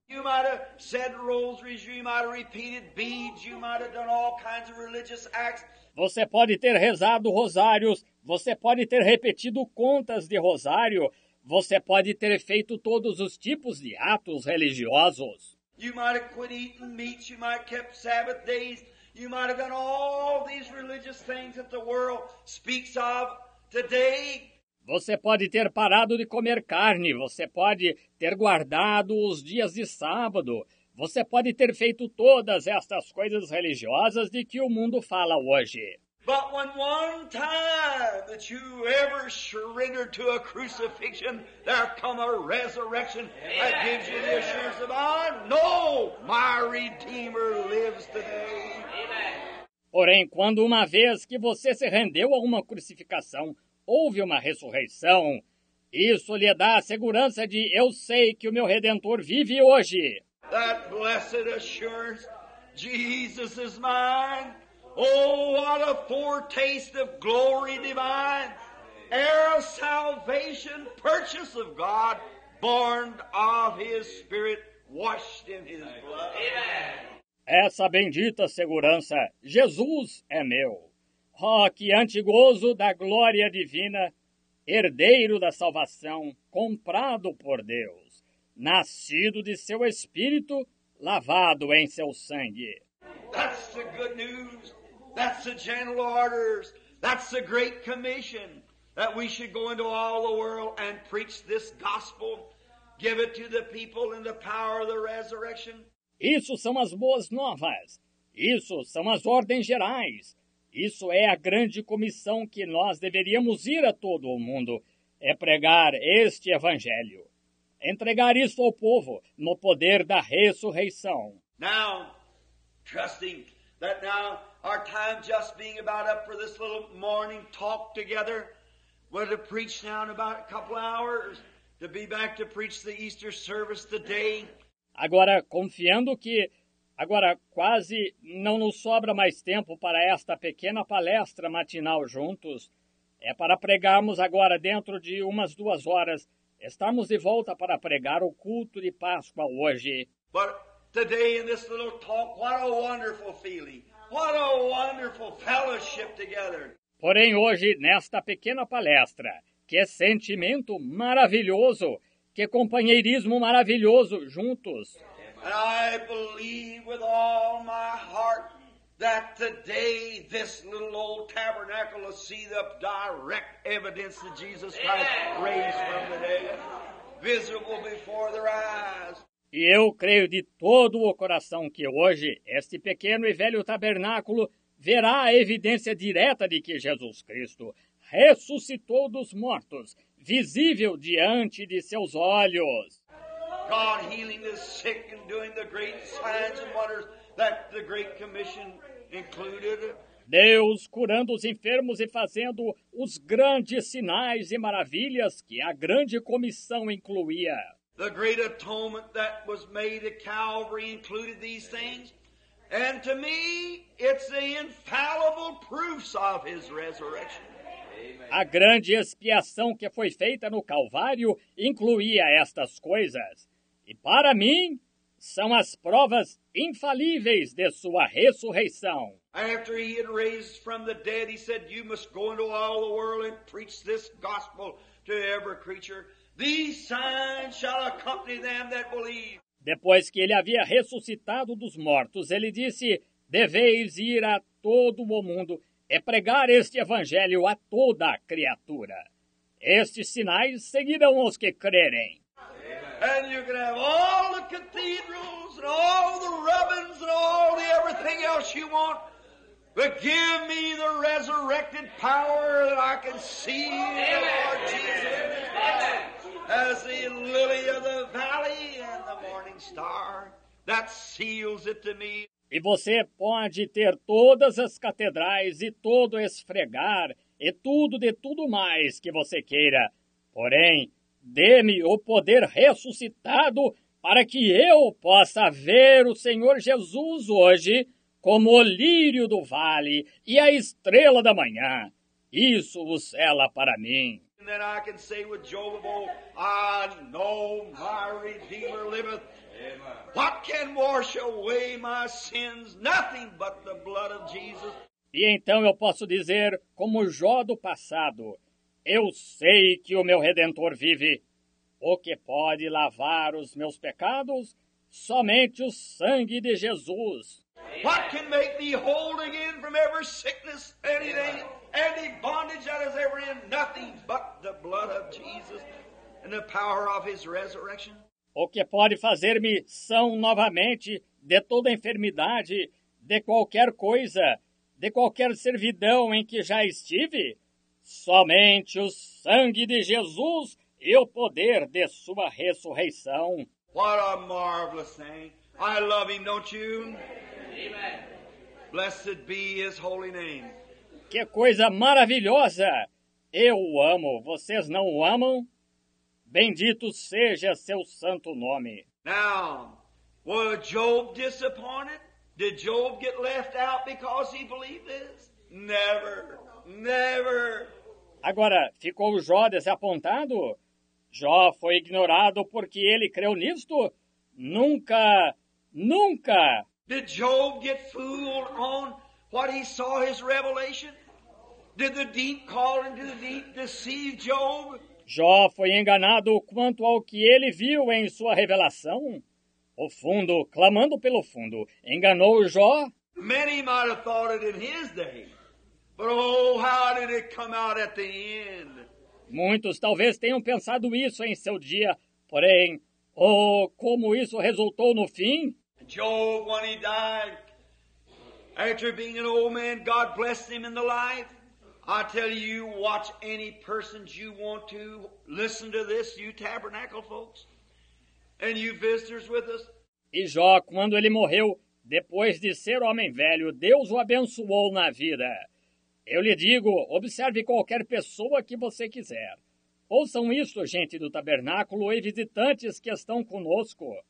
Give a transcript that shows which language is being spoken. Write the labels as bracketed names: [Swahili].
[English] You might have said rosaries, you might have repeated beads, you might have done all kinds of religious acts. [Portuguese] Você pode ter rezado rosários, você pode ter repetido contas de rosário, você pode ter feito todos os tipos de atos religiosos. [English] You might have quit eating meat, you might have kept Sabbath days. You might have done all these religious things that the world speaks of today. [Portuguese] Você pode ter parado de comer carne. Você pode ter guardado os dias de sábado. Você pode ter feito todas estas coisas religiosas de que o mundo fala hoje. [English] But when one time that you ever surrendered to a crucifixion, there come a resurrection that gives you the assurance of, I know my Redeemer lives today. [Portuguese] Porém, quando uma vez que você se rendeu a uma crucificação, houve uma ressurreição, isso lhe dá a segurança de, eu sei que o meu Redentor vive hoje. [English] That blessed assurance, Jesus is mine. Oh, what a foretaste of glory divine. Heir of salvation, purchase of God, born of his spirit, washed in his blood. Amen. [Portuguese] Essa bendita segurança, Jesus é meu. Oh, que antigozo da glória divina, herdeiro da salvação, comprado por Deus, nascido de seu Espírito, lavado em seu sangue. [English] That's the good news. That's the general orders. That's the great commission. That we should go into all the world and preach this gospel. Give it to the people in the power of the resurrection. [Portuguese] Isso são as boas novas. Isso são as ordens gerais. Isso é a grande comissão que nós deveríamos ir a todo o mundo. É pregar este evangelho. Entregar isso ao povo no poder da ressurreição. [English] Now, trusting that now our time just being about up for this little morning talk together, we're to preach now in about a couple hours, to be back to preach the Easter service today. [Portuguese] Agora, confiando que agora quase não nos sobra mais tempo para esta pequena palestra matinal juntos, é para pregarmos agora dentro de umas duas horas. Estamos de volta para pregar o culto de Páscoa hoje. [English] But today in this little talk, what a wonderful feeling. What a wonderful fellowship together. [Portuguese] Porém hoje, nesta pequena palestra, que sentimento maravilhoso, que companheirismo maravilhoso juntos. [English] And I believe with all my heart that today this little old tabernacle will see the direct evidence that Jesus Christ raised from the dead, visible before their eyes. [Portuguese] E eu creio de todo o coração que hoje este pequeno e velho tabernáculo verá a evidência direta de que Jesus Cristo ressuscitou dos mortos, visível diante de seus olhos. [English] God healing the sick and doing the great signs and wonders that the Great Commission included. [Portuguese] Deus curando os enfermos e fazendo os grandes sinais e maravilhas que a grande comissão incluía. [English] The great atonement that was made at Calvary included these things. And to me, it's the infallible proofs of his resurrection. [Portuguese] A grande expiação que foi feita no Calvário incluía estas coisas. E para mim, são as provas infalíveis de sua ressurreição. [English] After he had raised from the dead, he said, you must go into all the world and preach this gospel to every creature. These signs shall accompany them that believe. [Portuguese] Depois que ele havia ressuscitado dos mortos, ele disse, deveis ir a todo o mundo e pregar este evangelho a toda a criatura. Estes sinais seguirão os que crerem. [English] And you can have all the cathedrals and all the ribbons and all the everything else you want. But give me the resurrected power that I can see the Lord Jesus as the lily of the valley and the morning star. That seals it to me. [Portuguese] E você pode ter todas as catedrais e todo esfregar e tudo de tudo mais que você queira. Porém, dê-me o poder ressuscitado para que eu possa ver o Senhor Jesus hoje como o lírio do vale e a estrela da manhã. Isso o sela para mim. [English] And then I can say with Job of old, I know my Redeemer liveth. What can wash away my sins? Nothing but the blood of Jesus. [Portuguese] E então eu posso dizer, como Jó do passado, eu sei que o meu Redentor vive. O que pode lavar os meus pecados? Somente o sangue de Jesus. [English] What can make me whole again from every sickness, anything, any bondage that is ever in? Nothing but the blood of Jesus and the power of his resurrection. [Portuguese] O que pode fazer-me são novamente de toda enfermidade, de qualquer coisa, de qualquer servidão em que já estive? Somente o sangue de Jesus e o poder de sua ressurreição. [English] What a marvelous thing. I love him, don't you? Amen. Blessed be his holy name. [Portuguese] Que coisa maravilhosa. Eu o amo. Vocês não o amam? Bendito seja seu santo nome. [English] Now, was Job disappointed? Did Job get left out because he believed this? Never. Never. [Portuguese] Agora, ficou Jó desapontado? Jó foi ignorado porque ele creu nisto? Nunca, nunca! [English] Did Job get fooled on what he saw his revelation? Did the deep call into the deep deceive Job? [Portuguese] Jó foi enganado quanto ao que ele viu em sua revelação? O fundo, clamando pelo fundo, enganou Jó? [English] Many might have thought it in his day, but oh, how did it come out at the end? [Portuguese] Muitos talvez tenham pensado isso em seu dia, porém, oh, como isso resultou no fim? [English] Job, when he died, after being an old man, God blessed him in the life. I tell you, watch any persons you want to listen to this, you tabernacle folks, and you visitors with us. [Portuguese] E Jó, quando ele morreu, depois de ser homem velho, Deus o abençoou na vida. Eu lhe digo, observe qualquer pessoa que você quiser. Ouçam isso, gente do tabernáculo e visitantes que estão conosco.